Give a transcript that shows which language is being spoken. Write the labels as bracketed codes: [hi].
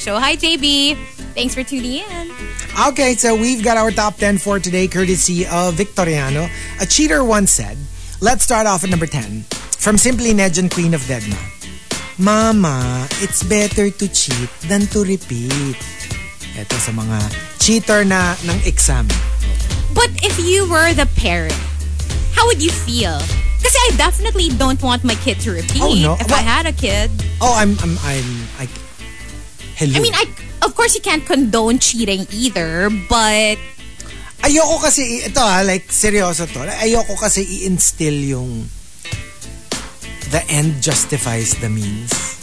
[en] So, hi, JB. Thanks for tuning in. Okay, so we've got our top 10 for today, courtesy of Victoriano. A cheater once said, let's start off at number 10. From Simply Nej and Queen of Deadma. Mama, it's better to cheat than to repeat. [tl] Ito sa mga cheater na ng exam. [en] But if you were the parent, how would you feel? Kasi I definitely don't want my kid to repeat. Oh, no. If, well, I had a kid. Oh, I'm hello. I mean, of course you can't condone cheating either, but [tl] ayoko kasi ito, ha, like seryoso to. Ayoko kasi i-instill yung [en] the end justifies the means.